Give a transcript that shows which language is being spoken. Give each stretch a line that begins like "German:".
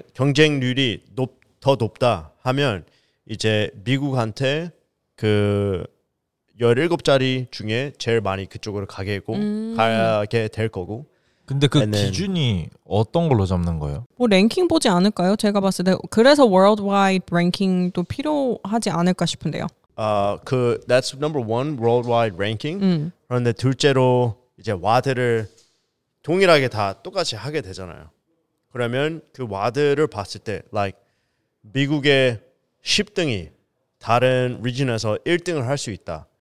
Korean: 경쟁률이 더 높다 하면 이제 미국한테 그 17자리 중에 제일 많이 그쪽으로 가게 되고 가게 될 거고. 근데 그 기준이 어떤 걸로 잡는 거예요? 뭐 랭킹 보지 않을까요? 제가 봤을 때 그래서 worldwide 랭킹도 필요하지 않을까 싶은데요.
English: 그 that's number one worldwide ranking.
Korean: 그런데 둘째로 이제 와드를 동일하게 다 똑같이 하게 되잖아요. 그러면 그 와드를 봤을 때 like 미국의 10등이 다른 리전에서 1등을 할 수 있다.